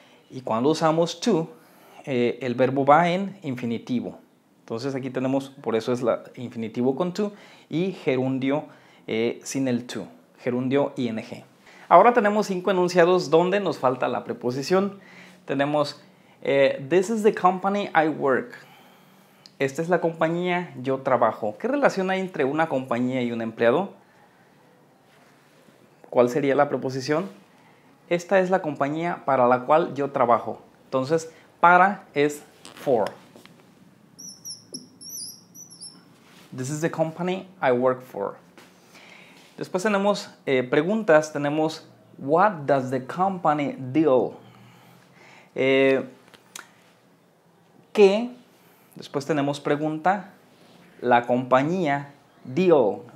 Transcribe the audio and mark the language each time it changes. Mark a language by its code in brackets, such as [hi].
[es] Y cuando usamos to, el verbo va en infinitivo. Entonces aquí tenemos, por eso es la infinitivo con to y gerundio sin el to, gerundio ing. Ahora tenemos 5 enunciados donde nos falta la preposición. Tenemos, [en] this is the company I work. [es] Esta es la compañía yo trabajo. ¿Qué relación hay entre una compañía y un empleado? ¿Cuál sería la preposición? Esta es la compañía para la cual yo trabajo. Entonces, para es for. [en] This is the company I work for. [es] Después tenemos preguntas. Tenemos, [en] what does the company deal? [es] ¿Qué? Después tenemos pregunta. La compañía deal.